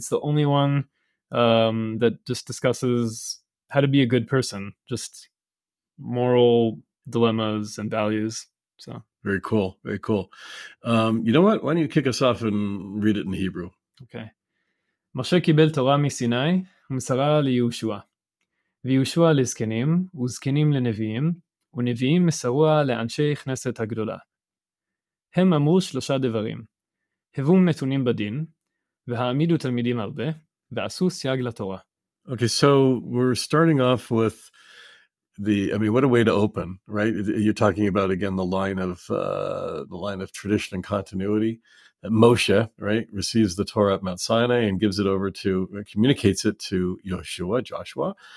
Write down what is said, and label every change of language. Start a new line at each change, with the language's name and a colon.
English: It's the only one that just discusses how to be a good person, just moral dilemmas and values. So very cool. You know what? Why don't you kick us off and read it in Hebrew? Okay.
Hebrew: Moshe kibel Torah miSinai. ומסרה ליהושע. ויהושע לזקנים, וזקנים לנביאים, ונביאים מסרוע לאנשי כנסת הגדולה. הם אמרו שלושה דברים. הבו מתונים בדין, והעמידו תלמידים הרבה, ועשו סייג לתורה.
English: Okay, so we're starting off with what a way to open, right? You're talking about, again, the line of tradition and continuity. Moshe, right, receives the Torah at Mount Sinai and gives it over to, communicates it to Joshua.